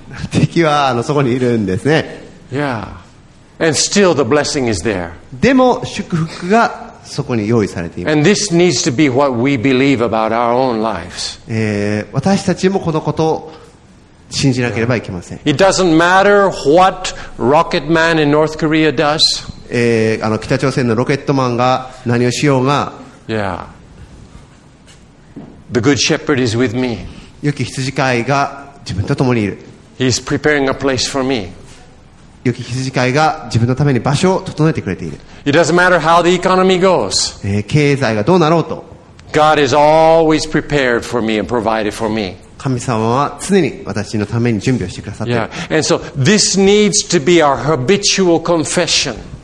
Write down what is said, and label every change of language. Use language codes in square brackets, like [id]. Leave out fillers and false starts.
[ja] 敵はそこにいるんですね。 [en] Yeah. And still the blessing is there. [ja] でも祝福がそこに用意されています。 [en] And this needs to be what we believe about our own lives. [ja] 私たちもこのことを信じなければいけません。 [en] It doesn't matter what Rocket Man in North Korea does. [ja] 北朝鮮のロケットマンが何をしようが。 [en] Yeah. The Good Shepherd is with me. [ja] 良き羊飼いが自分と共にいる。 [en] He is preparing a place for me. [ja] 良き羊飼いが自分のために場所を整えてくれている。 [en] It doesn't matter how the economy goes. [ja] 経済がどうなろうと。 [en] God is always prepared for me and provided for me. [ja] 神様は常に私のために準備をしてくださっている。 [en] Yeah. And so this needs to be our habitual confession.